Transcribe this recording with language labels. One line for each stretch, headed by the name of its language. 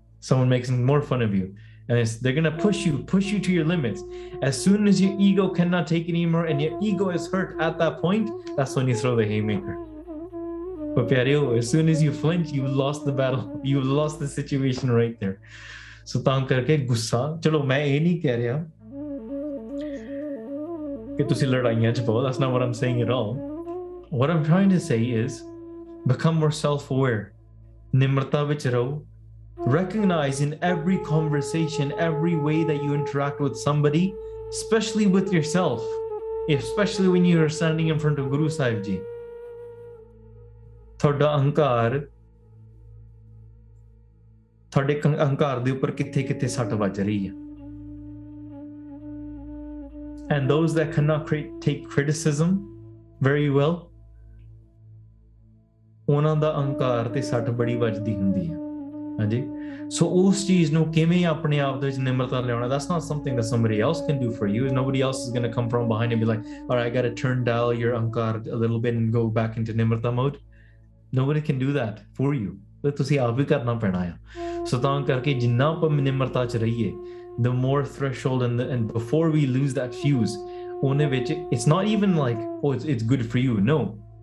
English: Someone makes more fun of you, and they're gonna push you to your limits. As soon as your ego cannot take it anymore and your ego is hurt at that point, that's when you throw the haymaker. But ਪਿਆਰਿਓ, as soon as you flinch, you lost the battle, you lost the situation right there.
Punjabi: So ਤਾਂ ਕਰਕੇ ਗੁੱਸਾ, ਚਲੋ ਮੈਂ ਇਹ ਨਹੀਂ ਕਹਿ ਰਿਹਾ ਕਿ ਤੁਸੀਂ ਲੜਾਈਆਂ ਚ ਪਾਓ,
English: that's not what I'm saying at all. What I'm trying to say is, become more self-aware.
Punjabi: ਨਿਮਰਤਾ ਵਿੱਚ ਰਹੋ.
English: Recognize in every conversation, every way that you interact with somebody, especially with yourself, especially when you are standing in front of Guru Sahib Ji,
Punjabi: ਤੁਹਾਡੇ ਅਹੰਕਾਰ ਦੇ ਉੱਪਰ ਕਿੱਥੇ ਕਿੱਥੇ ਸੱਟ ਵੱਜ ਰਹੀ ਹੈ.
English: And those that cannot take criticism very well,
Punjabi: ਉਹਨਾਂ ਦਾ ਅਹੰਕਾਰ ਤੇ ਸੱਟ ਬੜੀ ਵੱਜਦੀ ਹੁੰਦੀ ਹੈ. ਹਾਂਜੀ, ਸੋ ਉਸ ਚੀਜ਼ ਨੂੰ ਕਿਵੇਂ ਆਪਣੇ ਆਪ ਦੇ ਵਿੱਚ ਨਿਮਰਤਾ ਲਿਆਉਣਾ,
English: that's not something that somebody else can do for you. Nobody else is going to come from behind and be like, all right, I got to turn down your ahankar a little bit and go back into nimrata mode. Nobody can do that for you.
Punjabi: ਤੇ ਤੁਸੀਂ ਆਪ ਵੀ ਕਰਨਾ ਪੈਣਾ ਆ. ਸੋ ਤਾਂ ਕਰਕੇ ਜਿੰਨਾ ਆਪਾਂ ਨਿਮਰਤਾ ਚ ਰਹੀਏ,
English: the more threshold and before we lose that fuse,
Punjabi: ਉਹਨੇ ਵਿੱਚ
English: it's not even like, oh, it's good for you. No.